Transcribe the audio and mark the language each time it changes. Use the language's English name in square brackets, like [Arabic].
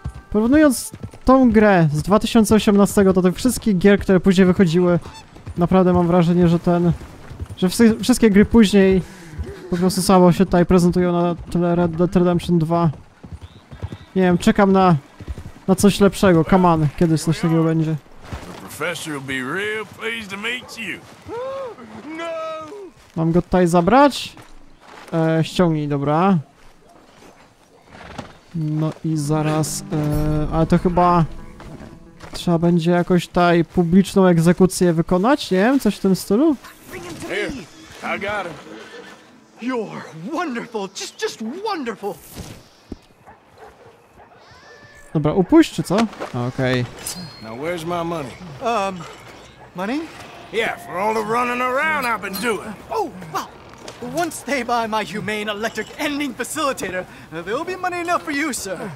[Polish] Porównując tą grę z 2018 do tych wszystkich gier, które później wychodziły, naprawdę mam wrażenie, że wszystkie gry później po prostu słabo się tutaj prezentują na tyle Red Dead Redemption 2. Nie wiem, czekam na coś lepszego. [English] Come on, [Polish] kiedyś coś takiego będzie. [English] Professor will be real pleased to meet you. [Polish] No. Mam go tutaj zabrać? Ściągnij, dobra. No i zaraz, ale to chyba trzeba będzie jakoś tutaj publiczną egzekucję wykonać, nie wiem, coś w tym stylu? [English] Here, I got him. You're wonderful, just wonderful. [Polish] Dobra, upuść czy co? Okej. [English] Now where's my money? Money? Yeah, for all the running around I've been doing. Oh, well, once they buy my humane electric ending facilitator, there'll be money enough for you, sir.